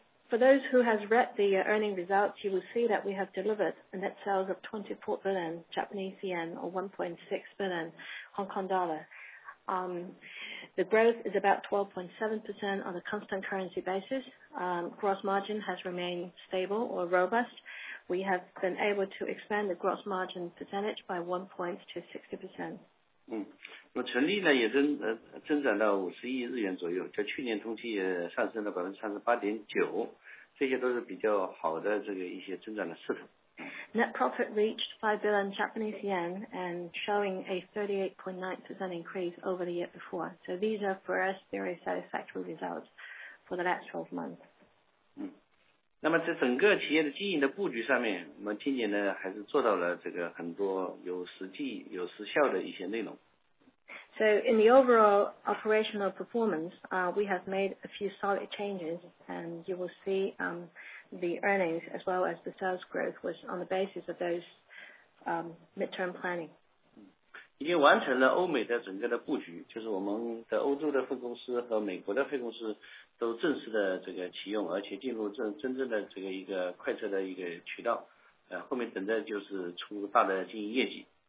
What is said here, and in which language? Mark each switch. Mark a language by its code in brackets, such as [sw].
[en] For those who has read the earning results, you will see that we have delivered a net sales of 24 billion Japanese yen or 1.6 billion Hong Kong dollar. The growth is about 12.7% on a constant currency basis. Gross margin has remained stable or robust. We have been able to expand the gross margin percentage by 1 point to 60%. [zh] 那么纯利 呢， 也增长到50亿日元左 右， 在去年同期也上升了 38.9%， 这些都是比较好的这个一些增长的势头。 [en] Net profit reached 5 billion Japanese yen and showing a 38.9% increase over the year before. These are for us very satisfactory results for the last 12 months. [zh] 那么在整个企业的经营的布局上 面， 我们今年呢还是做到了这个很多有实际有实效的一些内容。 [en] In the overall operational performance, we have made a few solid changes, and you will see the earnings as well as the sales growth was on the basis of those midterm planning. [zh] 已经完成了欧美的整个的布 局， 就是我们的欧洲的分公司和美国的分公司都正式的这个启 用， 而且进入真正的这个一个快车的一个渠 道， 后面等着就是出大的经营业绩。